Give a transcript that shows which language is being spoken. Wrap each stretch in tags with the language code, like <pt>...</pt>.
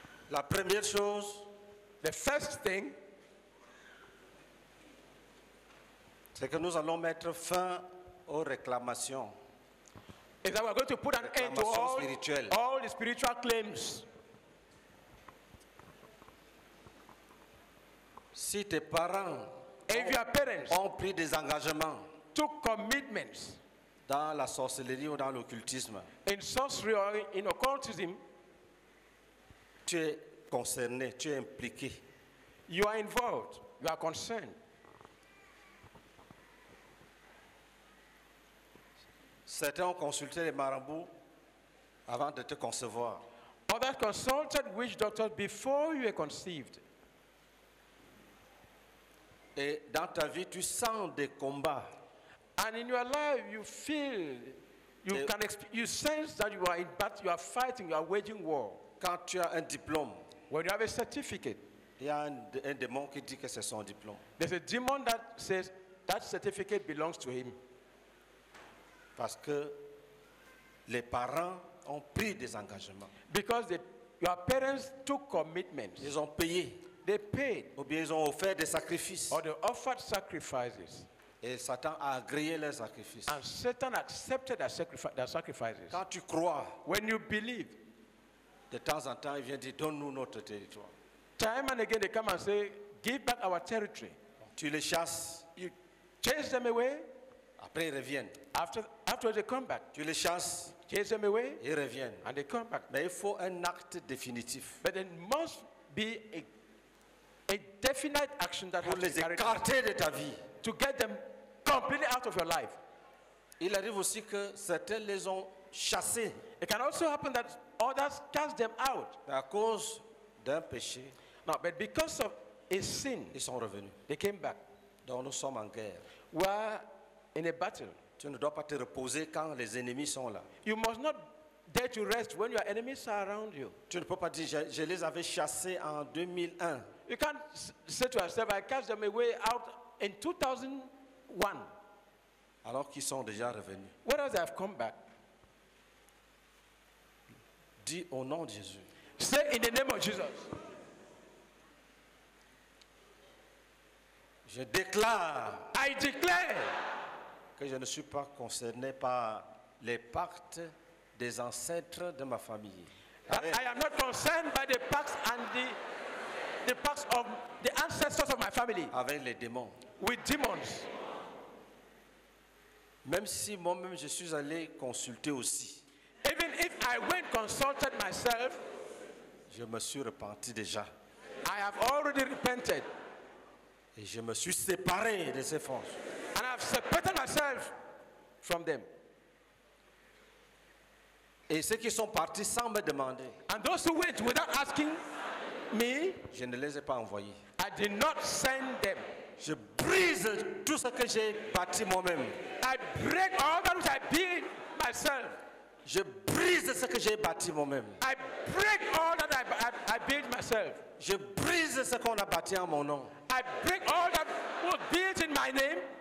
<fr>La première chose,</fr> <en>the first thing,</en> <fr>c'est que nous allons mettre fin aux réclamations.</fr> <en>Is that we're going to put an end to all the spiritual claims.</en> <fr>Si tes parents ont pris des engagements,</fr> <en>took commitments</en> <fr>dans la sorcellerie ou dans l'occultisme,</fr> <en>in sorcery or in occultism,</en> <fr>tu es concerné, tu es impliqué.</fr> <en>You are involved, you are concerned.</en> <fr>Certains ont consulté les marabouts avant de te concevoir.</fr> <en>Others consulted witch doctors before you were conceived.</en> <fr>Et dans ta vie, tu sens des combats.</fr> <en>And in your life, you feel, you sense that you are in battle, you are fighting, you are waging war.</en> <fr>Quand tu as un diplôme,</fr> <en>when you have a certificate,</en> <fr>il y a un démon qui dit que c'est son diplôme.</fr> <en>There's a demon that says that certificate belongs to him.</en> <fr>Parce que les parents ont pris des engagements.</fr> <en>Because your parents took commitments.</en> <fr>Ils ont payé.</fr> <en>They paid,</en> <fr>ou bien ils ont offert des sacrifices.</fr> <en>Or they offered sacrifices.</en> <fr>Et Satan a agréé leurs sacrifices.</fr> <en>And Satan accepted their sacrifices.</en> <fr>Quand tu crois,</fr> <en>when you believe,</en> <fr>de temps en temps, il vient dire, donne-nous notre territoire.</fr> <en>Time and again, they come and say, give back our territory.</en> <fr>Tu les chasses.</fr> <en>You chase them away.</en> <fr>Après, ils reviennent.</fr> <en>Afterwards, they come back.</en> <fr>Tu les chasses.</fr> <en>You chase them away.</en> <fr>Ils reviennent.</fr> <en>And they come back.</en> <fr>Mais il faut un acte définitif.</fr> <en>But there must be a definite action that</en> <fr>pour les écarter de ta vie.</fr> <en>To get them completely out of your life.</en> <fr>Il arrive aussi que certains les ont chassés.</fr> <en>It can also happen that others cast them out.</en> <fr>À cause d'un péché.</fr> <en>Now, but because of a sin,</en> <fr>ils sont revenus.</fr> <en>They came back.</en> <fr>Donc nous sommes en guerre.</fr> <en>We are in a battle.</en> <fr>Tu ne dois pas te reposer quand les ennemis sont là.</fr> <en>You must not dare to rest when your enemies are around you.</en> <fr>Tu ne peux pas dire je les avais chassés en 2001.</fr> <en>You can't say to yourself, I cast them away out in 2001.</en> <fr>Alors qu'ils sont déjà revenus.</fr> <en>What else have come back?</en> <fr>Dis au nom de Jésus.</fr> <en>Say in the name of Jesus.</en> <fr>Je déclare.</fr> <en>I declare.</en> <fr>Que je ne suis pas concerné par les pactes des ancêtres de ma famille.</fr> <en>I am not concerned by the pacts and the pacts of the ancestors of my family.</en> <fr>Avec les démons.</fr> <en>With demons.</en> <fr>Même si moi-même je suis allé consulter aussi.</fr> <en>Even if I went consulted myself,</en> <fr>je me suis repenti déjà.</fr> <en>I have already repented.</en> <fr>Et je me suis séparé de ces forces.</fr> <en>And I have separated myself from them.</en> <fr>Et ceux qui sont partis sans me demander.</fr> <en>And those who went without asking me,</en> <fr>je ne les ai pas envoyés.</fr> <en>I did not send them.</en> <fr>Je brise tout ce que j'ai bâti moi-même.</fr> <en>I break all that which I built myself.</en> <fr>Je brise ce que j'ai bâti moi-même.</fr> <en>I break all that I built myself.</en> <fr>Je brise ce qu'on a bâti en mon nom.</fr> <en>I break all that was built in my name.</en>